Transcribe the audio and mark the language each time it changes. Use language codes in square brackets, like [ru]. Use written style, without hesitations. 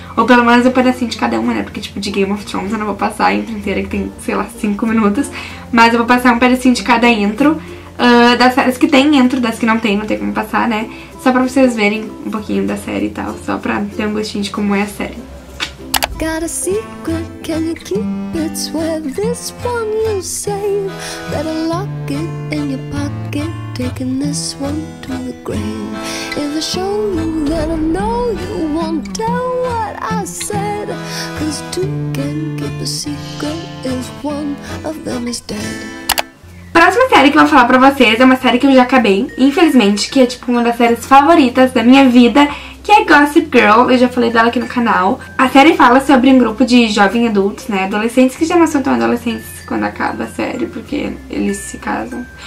[pt] Ou pelo menos um pedacinho de cada uma, né? Porque, tipo, de Game of Thrones eu não vou passar a intro inteira, que tem, sei lá, 5 minutos. Mas eu vou passar um pedacinho de cada intro. Das séries que tem intro, das que não tem como passar, né? Só pra vocês verem um pouquinho da série e tal. Só pra ter um gostinho de como é a série. [en] Got a secret, can you keep it? Swear this one you'll save. Better lock it in your pocket, taking this one to the grave. If I show you that I know you won't tell what I said. Cause two can keep a secret if one of them is dead. [pt] Próxima série que eu vou falar pra vocês é uma série que eu já acabei, infelizmente, que é tipo uma das séries favoritas da minha vida, que é Gossip Girl, eu já falei dela aqui no canal. A série fala sobre um grupo de jovens adultos, né, adolescentes que já não são tão adolescentes quando acaba a série, porque eles se casam.